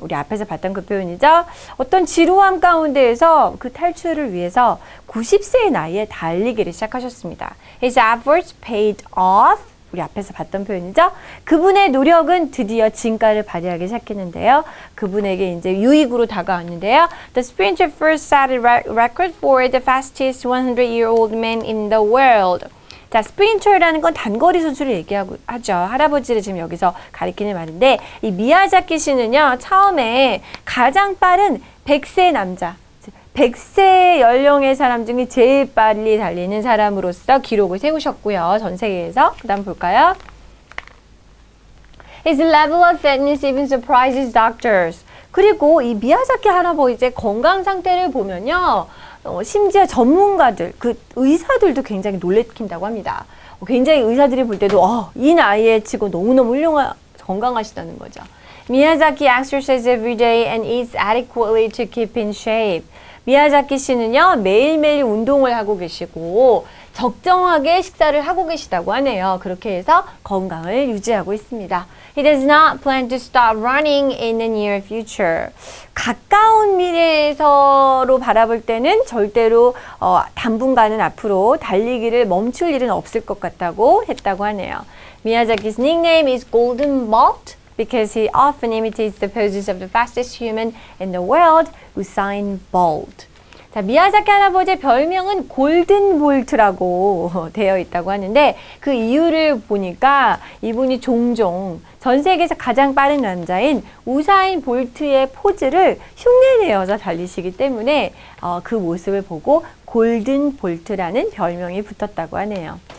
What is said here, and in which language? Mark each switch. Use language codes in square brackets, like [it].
[ko] 우리 앞에서 봤던 그 표현이죠. 어떤 지루함 가운데에서 그 탈출을 위해서 90세의 나이에 달리기를 시작하셨습니다. [en] His efforts paid off. [ko] 우리 앞에서 봤던 표현이죠. 그분의 노력은 드디어 진가를 발휘하기 시작했는데요. 그분에게 이제 유익으로 다가왔는데요. [en] The sprinter first set a record for the fastest 100-year-old man in the world. [ko] 자, 스프린터라는 건 단거리 선수를 얘기하죠. 할아버지를 지금 여기서 가리키는 말인데 이 미야자키 씨는요. 처음에 가장 빠른 100세 남자. 100세 연령의 사람 중에 제일 빨리 달리는 사람으로서 기록을 세우셨고요. 전 세계에서. 그 다음 볼까요? [en] His level of fitness even surprises doctors. [ko] 그리고 이 미야자키 할아버지의 건강 상태를 보면요. 심지어 전문가들, 그 의사들도 굉장히 놀래킨다고 합니다. 굉장히 의사들이 볼 때도 이 나이에 치고 너무너무 건강하시다는 거죠. [en] Miyazaki exercises every day and eats adequately to keep in shape. [ko] 미야자키 씨는요, 매일매일 운동을 하고 계시고 적정하게 식사를 하고 계시다고 하네요. 그렇게 해서 건강을 유지하고 있습니다. [en] He does not plan to stop running in the near future. [ko] 가까운 미래에서로 바라볼 때는 절대로 당분간은 앞으로 달리기를 멈출 일은 없을 것 같다고 했다고 하네요. [en] Miyazaki's nickname is Golden Bolt because he often imitates the poses of the fastest human in the world, Usain Bolt. [ko] 자, 미야자키 할아버지의 별명은 골든볼트라고 되어 있다고 하는데 그 이유를 보니까 이분이 종종 전 세계에서 가장 빠른 남자인 우사인 볼트의 포즈를 흉내내어서 달리시기 때문에 그 모습을 보고 골든볼트라는 별명이 붙었다고 하네요.